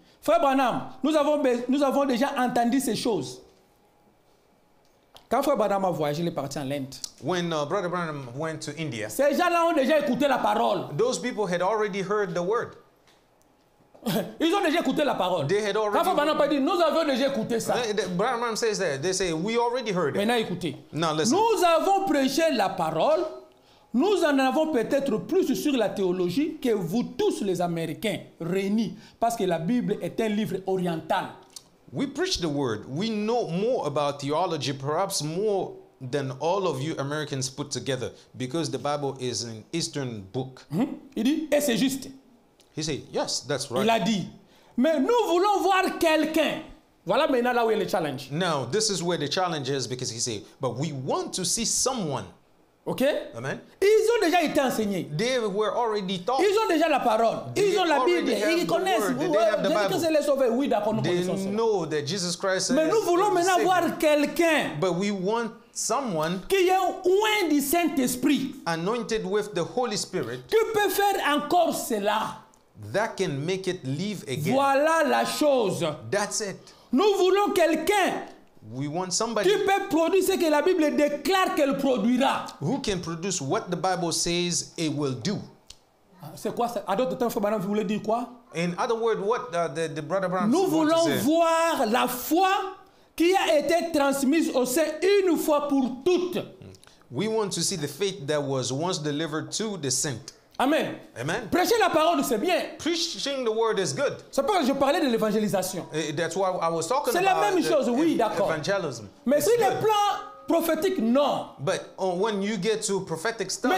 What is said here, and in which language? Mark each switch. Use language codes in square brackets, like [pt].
[fr] Frère Branham, nous avons déjà entendu ces choses. Quand Frère Branham a voyagé, il est parti en Inde. [en] When Brother Branham went to India. [fr] Ces gens-là ont déjà écouté la parole. [en] Those people had already heard the word. [fr] Ils ont déjà écouté la parole. [en] They had already. [fr] Quand Frère Branham a dit, nous avons déjà écouté ça. [en] Brother Branham says that they say we already heard it. [fr] Maintenant, écoutez. [en] Now listen. [fr] Nous avons prêché la parole. Nous en avons peut-être plus sur la théologie que vous tous les Américains réunis, parce que la Bible est un livre oriental. [en] We preach the word. We know more about theology, perhaps more than all of you Americans put together, because the Bible is an Eastern book. [fr] Mm-hmm. Il dit, et c'est juste. [en] He said, yes, that's right. [fr] Il a dit, Mais nous voulons voir quelqu'un. Voilà maintenant là où est le challenge. [en] Now, this is where the challenge is because he said, but we want to see someone. OK? Amen. [fr] Ils ont déjà été enseignés. [en] They were already taught. [fr] Ils ont déjà la parole. They ils ont la Bible. Ils connaissent. [en] Word. They have the Bible. [fr] Que c'est les sauvés. Oui, d'accord, nous [en] they [fr] connaissons ça. [en] They know that Jesus Christ [fr] mais [en] is [fr] nous voulons maintenant voir quelqu'un. [en] But we want someone [fr] qui est oint du Saint-Esprit. [en] Anointed with the Holy Spirit. [fr] Qui peut faire encore cela. [en] That can make it live again. [fr] Voilà la chose. [en] That's it. [fr] Nous voulons quelqu'un. [en] We want somebody [fr] qui peut produire ce que la Bible déclare qu'elle produira. [en] Who can produce what the Bible says it will do? [fr] C'est quoi ça? À d'autres temps, Frère Branham, vous voulez dire quoi? [en] In other words, what the Brother Branham [fr] nous voulons voir la foi qui a été transmise au sein une fois pour toutes. [en] We want to see the faith that was once delivered to the saint. [fr] Amen. [en] Amen. [fr] Prêcher la parole, c'est bien. [en] Preaching the word is good. [fr] C'est pas que je parlais de l'évangélisation. [en] That's why I was talking [fr] c'est [en] about [fr] la même chose, oui, d'accord. [en] Evangelism. [fr] Mais si le plan prophétique, non. [en] But when you get to prophetic stuff,